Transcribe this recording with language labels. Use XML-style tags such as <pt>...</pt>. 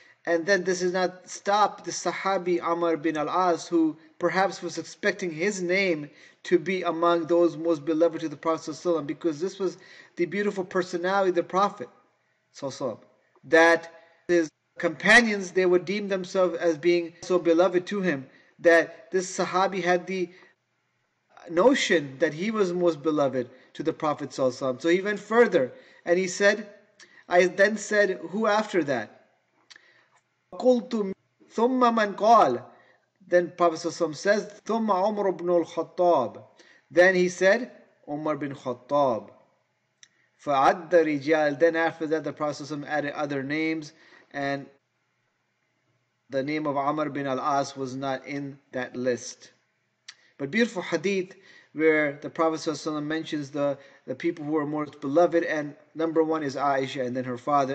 <en>And then this does not stop the Sahabi Amr bin al-As, who perhaps was expecting his name to be among those most beloved to the Prophet sallallahu alaihi wasallam, because this was the beautiful personality of the Prophet sallallahu alaihi wasallam, that his companions, they would deem themselves as being so beloved to him, that this Sahabi had the notion that he was most beloved to the Prophet sallallahu alaihi wasallam. So he went further and he said, I then said, who after that?</en> <ar>قُلْتُ ثُمَّ مَنْ قَالَ.</ar> <en>Then Prophet ﷺ says,</en> <ar>ثُمَّ عُمْرُ بْنُ الْخَطَّابِ.</ar> <en>Then he said, Umar bin Khattab.</en> <ar>فَعَدَّ رِجَالَ.</ar> <en>Then after that, the Prophet ﷺ added other names, and the name of Amr bin al-As was not in that list. But beautiful hadith where the Prophet ﷺ mentions the people who are most beloved, and number one is Aisha, and then her father.</en>